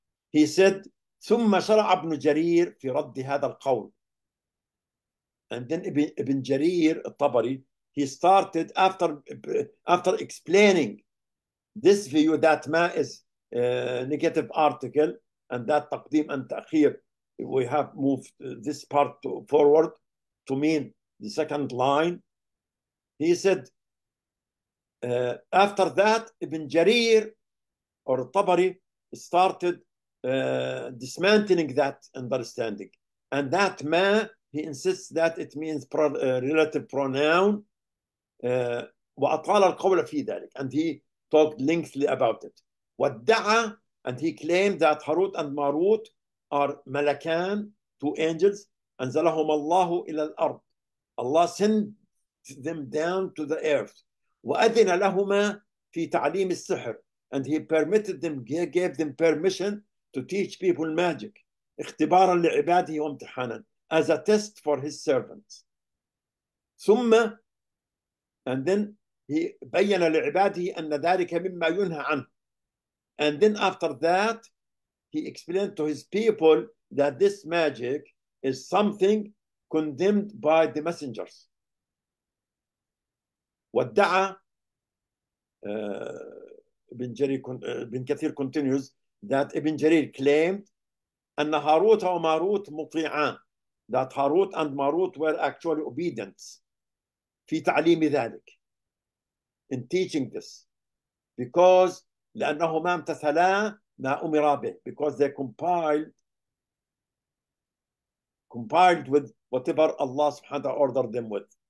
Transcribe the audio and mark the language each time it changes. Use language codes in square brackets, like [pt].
[ar] He said, ثم شرع ابن جرير في رد هذا القول. [en] And then Ibn Jarir al-Tabari, he started after explaining this view that ma is a negative article and that taqdim and ta'khir, we have moved this part forward to mean the second line. He said, After that, Ibn Jarir or Tabari started dismantling that understanding. And that ma, he insists that it means relative pronoun. وأطال القول في ذلك. And he talked lengthily about it. وادعى, and he claimed that Harut and Marut are malakan, two angels. أنزلهم الله إلى الأرض. Allah sent them down to the earth. [ar] وأذن لهما في تعليم السحر. [en] And he permitted them, he gave them permission to teach people magic. اختبارا لعباده وامتحانا. As a test for his servants. [ar] ثم, and then he بين لعباده أن ذلك مما ينهى عنه. [en] And then after that, he explained to his people that this magic is something condemned by the messengers. وادعى ابن كثير continues that ابن جرير claimed أن هاروت وماروت مطيعان, that هاروت and ماروت were actually obedient في تعليم ذلك, in teaching this, because لأنهما امتثلا ما أمر به, because they compiled with whatever Allah سبحانه وتعالى ordered them with.